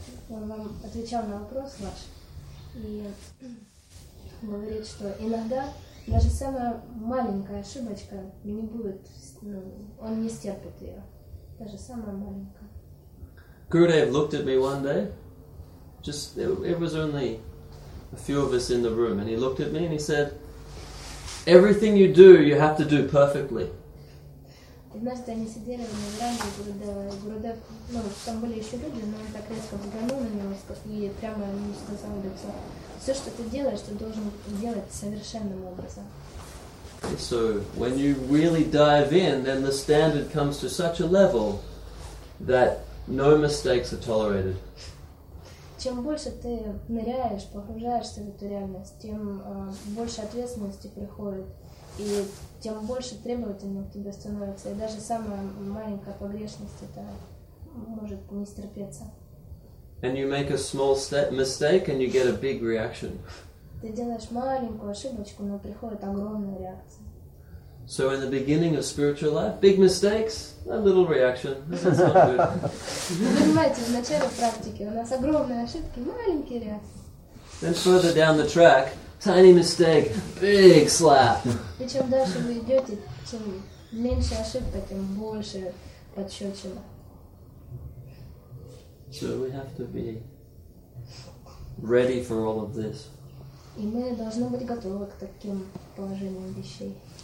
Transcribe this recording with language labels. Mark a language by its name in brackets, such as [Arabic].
[Russian] Он вам отвечал на вопрос ваш и говорит, что иногда даже самая маленькая ошибочка не будет, ну, он не стерпит ее. Даже самая маленькая. [English] Gurudev looked at me one day. It was only a few of us in the room, and he looked at me and he said, "Everything you do, you have to do perfectly." [Russian] Однажды они сидели в Мавранде, Гурудев, ну, там были еще люди, но он так резко взглянул на него и прямо ему сказал лицо. Все, что ты делаешь, ты должен делать совершенным образом. [English] So when you really dive in, then the standard comes to such a level that no mistakes are tolerated. [Russian] Чем больше ты ныряешь, погружаешься в эту реальность, тем больше ответственности приходит, и тем больше требовательным к тебе становится, и даже самая маленькая погрешность это может не стерпеться. [English] And you make a small mistake and you get a big reaction. [Russian] Ты делаешь маленькую ошибочку, но приходит огромная реакция. [English] So in the beginning of spiritual life, big mistakes, a little reaction. [Russian] Вы понимаете, в начале практики у нас огромные ошибки, маленькие реакции. [English] Then further down the track, tiny mistake, big slap. [Russian] И чем дальше вы идете, тем меньше ошибка, тем больше подщечина. [English] So we have to be ready for all of this. [Russian] И мы должны быть готовы к таким положениям вещей.